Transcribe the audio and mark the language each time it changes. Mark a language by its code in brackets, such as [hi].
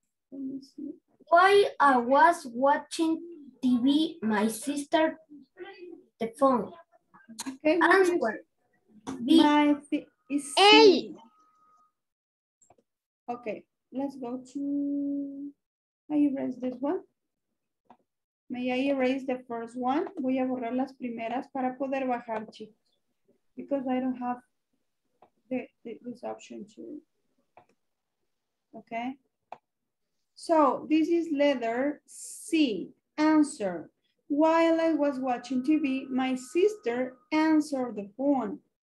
[en] Why I was watching TV, my sister, the phone. Okay, answer. Is A. Okay, let's go to, may I erase this one? May I erase the first one? [es] Voy a borrar las primeras para poder bajar, chicos. [en] Because I don't have this option to, okay. So, this is letter C, answer. While I was watching TV, my sister answered the phone.